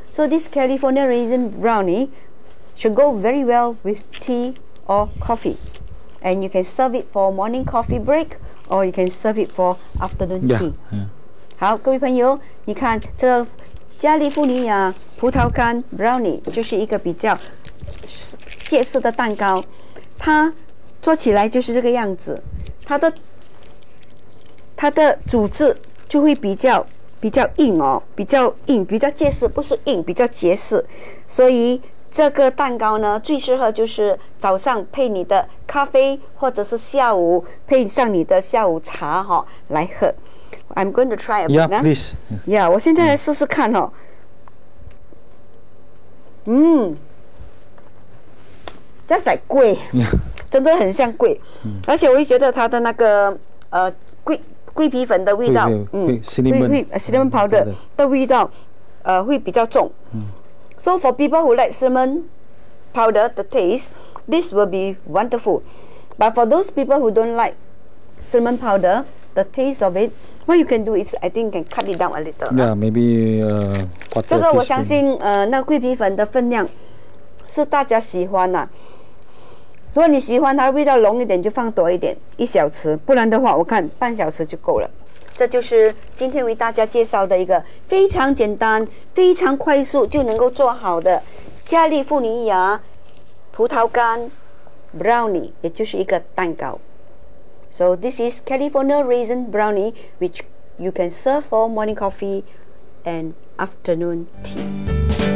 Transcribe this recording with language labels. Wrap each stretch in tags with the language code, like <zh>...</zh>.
<en>So this California raisin brownie should go very well with tea or coffee. And you can serve it for morning coffee break or you can serve it for afternoon tea. Yeah, yeah.</en> <zh>好，各位朋友，你看这加利福尼亚葡萄干 brownie 就是一个比较介色的蛋糕，它做起来就是这个样子，它的组织就会比较硬哦，比较硬，比较结实，不是硬，比较结实。所以这个蛋糕呢，最适合就是早上配你的咖啡，或者是下午配上你的下午茶哈、哦、来喝。</zh> <en>I'm going to try a bit. Yeah, please.</en> <zh>Yeah, 我现在来试试看哦。</zh> <en>Just like 桂， yeah.</en> <zh>真的很像桂。而且我也觉得它的那个桂皮粉的味道，</zh> <en>cinnamon</en> <zh>powder 的味道，会比较重。</zh> <en>So for people who like cinnamon powder the taste, this will be wonderful. But for those people who don't like cinnamon powder the taste of it, what you can do is, I think, can cut it down a little. Yeah, maybe quarter.</en> <zh>这个我相信，那桂皮粉的分量是大家喜欢的、啊。如果你喜欢它味道浓一点，就放多一点，一小匙，不然的话我看半小匙就够了。这就是今天为大家介绍的一个非常简单非常快速就能够做好的加利福尼亚葡萄干 brownie， 也就是一个蛋糕。</zh> <en>So this is California raisin brownie which you can serve for morning coffee and afternoon tea.</en>